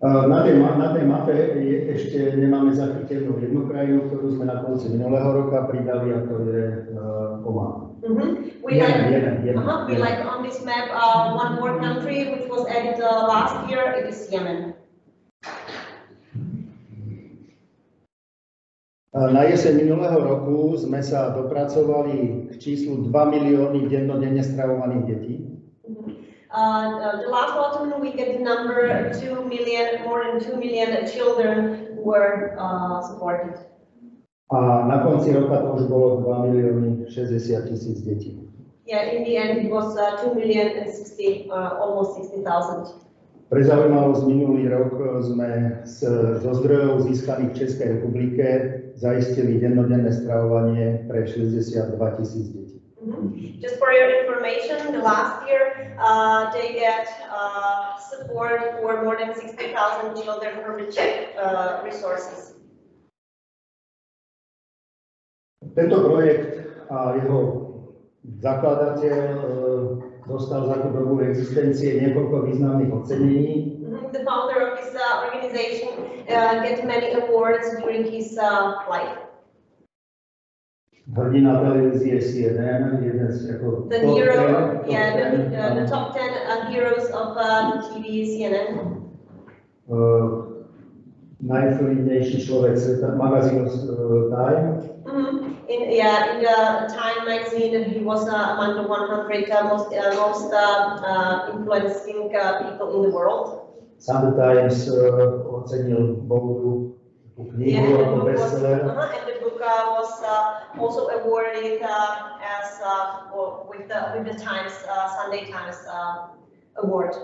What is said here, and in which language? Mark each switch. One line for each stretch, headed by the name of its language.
Slovak: Na tej mape je, ešte nemáme zachytenú jednu krajinu, ktorú sme na konci minulého roka pridali, a to je Oman.
English: We like on this map one more country which was added last year, it is Yemen.
Slovak: Na jeseň minulého roku sme sa dopracovali k číslu 2 milióny dennodenne stravovaných detí.
English: The last autumn we get the number 2 million, more than 2 million children were supported.
Slovak: A na konci roka to už bolo 2 milióny 60 tisíc detí.
English: Yeah, in the end it was 2 million and 60, almost 60,000.
Slovak: Pre zaujímavosť, minulý rok sme zo zdrojov získaných v Českej republike zaistili dennodenné stravovanie pre 62 tisíc detí.
English: Just for your information, the last year they get support for more than 60,000 children from the Czech resources.
Slovak: Tento projekt a jeho zakladateľ dostal za tú dobu existencie niekoľko významných ocenení.
English: The founder of this organization get many awards during his life.
Slovak: Hrdina televízie CNN, jeden z ako
English: the top 10 heroes of TV CNN.
Slovak: Najvplyvnejší človek sveta, magazín Time.
English: In the Time magazine he was among the 100 most influencing people in the world.
Slovak: Sunday Times ocenil Bogu tú knihu ako bestseller.
English: Was also awarded with the Times Sunday Times award.